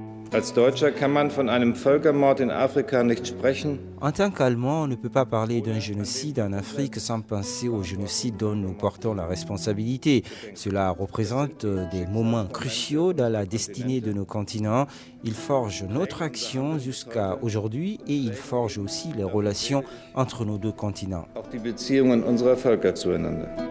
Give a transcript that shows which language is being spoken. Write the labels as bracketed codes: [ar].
[de] Als Deutscher kann man von einem Völkermord in Afrika nicht sprechen. [fr] En tant qu'Allemand, on ne peut pas parler d'un génocide en Afrique sans penser au génocide dont nous portons la responsabilité. Cela représente des moments cruciaux dans la destinée de nos continents. Il forge notre action jusqu'à aujourd'hui et il forge aussi les relations entre nos deux continents. [de] Auch die Beziehungen unserer Völker zueinander.